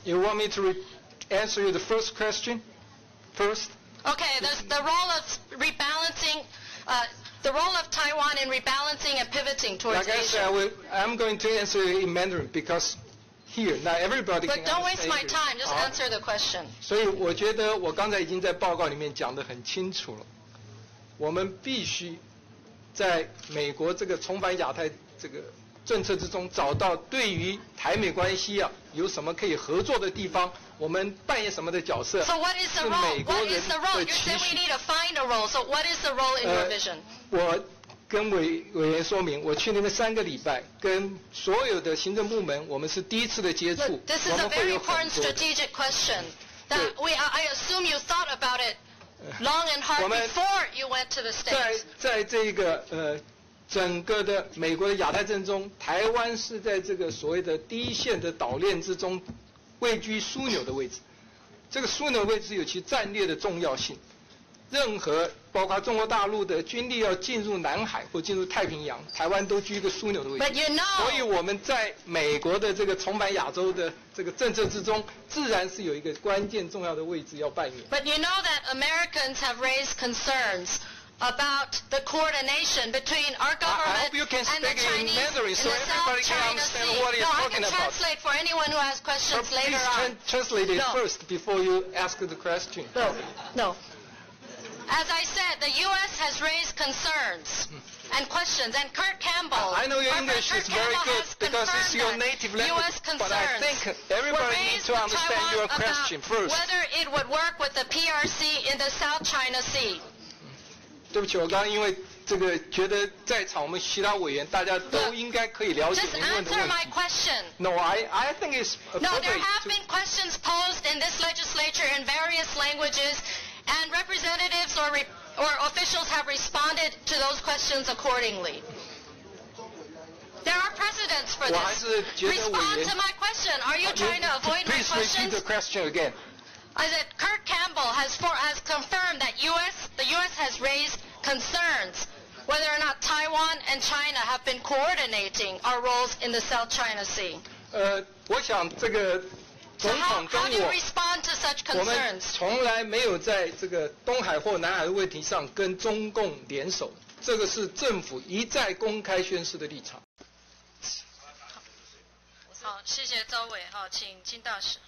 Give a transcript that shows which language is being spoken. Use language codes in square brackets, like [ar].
[en] You want me to answer you the first question? First? Okay, the role of rebalancing, the role of Taiwan in rebalancing and pivoting towards Asia. Like I said, I'm going to answer you in Mandarin because here, not everybody can understand. But don't waste my time, just answer the question. [zh] 所以我觉得我刚才已经在报告里面讲得很清楚了。我们必须在美国这个重返亚太这个政策之中找到对于台美关系啊有什么可以合作的地方，我们扮演什么的角色，是美国人的期许。 [en] What is the role? You said we need to find a role. So what is the role in your vision? [zh] 我跟委员说明，我去那边三个礼拜，跟所有的行政部门，我们是第一次的接触。 [en] This is a very important strategic question that I assume you thought about it. Long and hard before you went to the States. [zh] 在这个整个的美国的亚太政中，台湾是在这个所谓的第一线的岛链之中位居枢纽的位置。这个枢纽位置有其战略的重要性。任何包括中国大陆的军力要进入南海或进入太平洋，台湾都居一个枢纽的位置。 [en] But you know, [zh] 所以我们在美国的这个重返亚洲的这个政策之中，自然是有一个关键重要的位置要扮演。 [en] But you know that Americans have raised concerns about the coordination between our government I hope you can speak and the Chinese in the South China Sea. No, I can translate for anyone who has questions later on. Please translate it first before you ask the question. No. As I said, the U.S. has raised concerns and questions, and Kurt Campbell. I know your English is very good because it's your native language. But I think everybody needs to understand your question first. Whether it would work with the PRC in the South China Sea. [zh] 对不起，我刚刚因为这个觉得在场我们其他委员大家都应该可以了解您问的问题。 [en] Just answer my question. No, I think it's no. There have been questions posed in this legislature in various languages. And representatives or officials have responded to those questions accordingly. There are precedents for this. Respond to my question. Are you trying to avoid my questions? Please repeat the question again. I said Kirk Campbell has confirmed that the U.S. has raised concerns whether or not Taiwan and China have been coordinating our roles in the South China Sea. [zh] 我想这个总统跟我。 [en] So how do you respond to such concerns. [zh] 我们从来没有在这个东海或南海的问题上跟中共联手，这个是政府一再公开宣示的立场。好，谢谢周伟，好，请金大使。